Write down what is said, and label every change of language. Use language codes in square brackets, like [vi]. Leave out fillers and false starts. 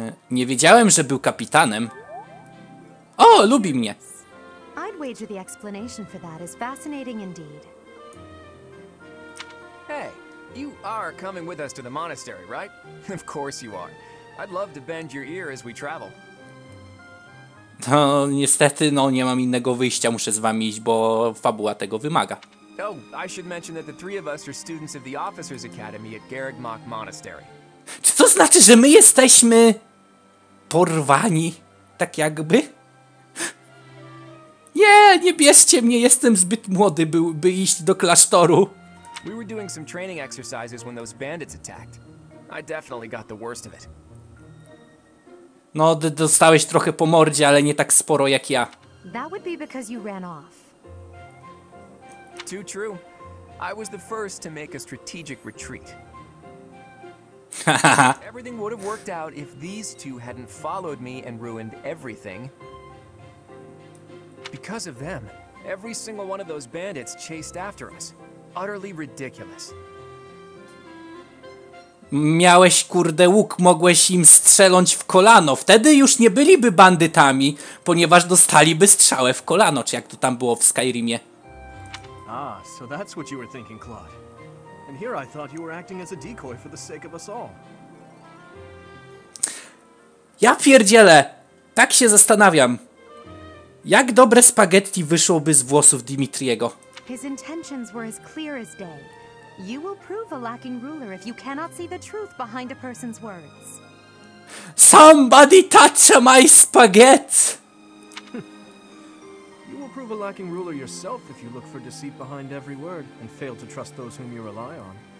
[pl] Nie wiedziałem, że był kapitanem. O, lubi mnie. [en] I'd wager the explanation for that is fascinating indeed. Hey, you are coming with us to the monastery, right? Of course you are. I'd love to bend your ear as we travel. [pl] No, niestety, no, nie mam innego wyjścia, muszę z wami iść, bo fabuła tego wymaga. [en] Oh, I should mention that the three of us are students of the Officers Academy at Garrig Mach Monastery. [pl] Czy to znaczy, że my jesteśmy porwani? Tak jakby? Nie, nie bierzcie mnie, jestem zbyt młody, by iść do klasztoru. [en] We were doing some training exercises when those bandits attacked. I definitely got the worst of it. [pl] No, dostałeś trochę po mordzie, ale nie tak sporo jak ja. [en] That would be because you ran off. Too true. I was the first to make a strategic retreat. Everything would have worked out if these two hadn't followed me and ruined everything. Because of them, every single one of those bandits chased after us. Utterly ridiculous. [pl] Miałeś kurde łuk, mogłeś im strzelnąć w kolano. Wtedy już nie byliby bandytami, ponieważ dostaliby strzałę w kolano, czy jak to tam było w Skyrimie. [en] Ah, so that's what you were thinking, Claude. And here I thought you were acting as a decoy for the sake of us all. [pl] Ja pierdzielę! Tak się zastanawiam. Jak dobre spaghetti wyszłoby z włosów Dimitriego? [en] His intentions were as clear as day. You will prove a lacking ruler if you cannot see the truth behind a person's words. Somebody touch my spaghetti! You will prove a lacking ruler yourself if you look for deceit behind every word and fail to trust those whom you rely on.